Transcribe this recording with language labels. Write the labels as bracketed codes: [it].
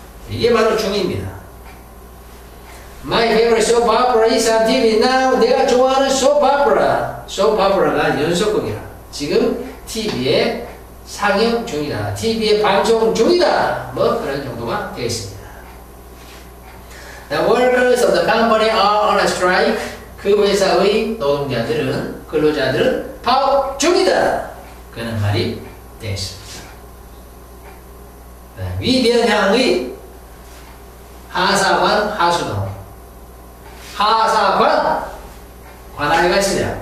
[ko] 이게 바로 중입니다. [en] My favorite soap opera is on TV now. [ko] 내가 좋아하는 soap opera. soap opera가 연속극이야. 지금 TV에 상영 중이다. TV에 방송 중이다. 뭐 그런 정도가 되겠습니다. [en] The workers of the company are on a strike. [ko] 그 회사의 노동자들은, 근로자들은 파업 중이다. 그런 말이 되겠습니다. 네, 위변향의 하사관 하수동. 하사관 관아야가 있습니다.